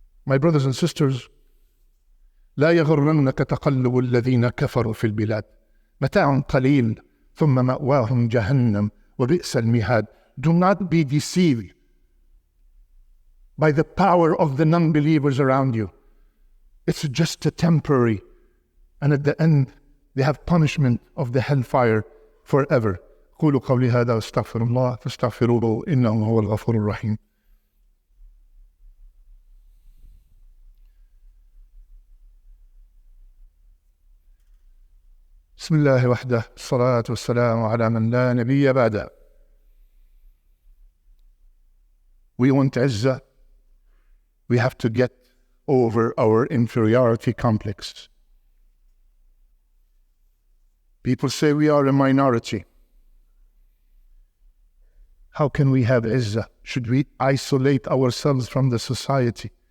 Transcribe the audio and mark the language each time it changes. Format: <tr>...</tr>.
<en>My brothers and sisters,</en> <ar>لا يغرنك تقلب الذين كفروا في البلاد متاع قليل ثم مأواهم جهنم وبئس المهاد.</ar> <en>Do not be deceived by the power of the non-believers around you. It's just a temporary, and at the end they have punishment of the hellfire forever.</en> <ar>قولوا قولي هذا واستغفر الله فاستغفروه إنه هو الغفور الرحيم. بسم الله وحده الصلاة والسلام على من لا نبي بعده.</ar> <en>We want izzah. We have to get over our inferiority complex. People say we are a minority. How can we have izzah? Should we isolate ourselves from the society?</en>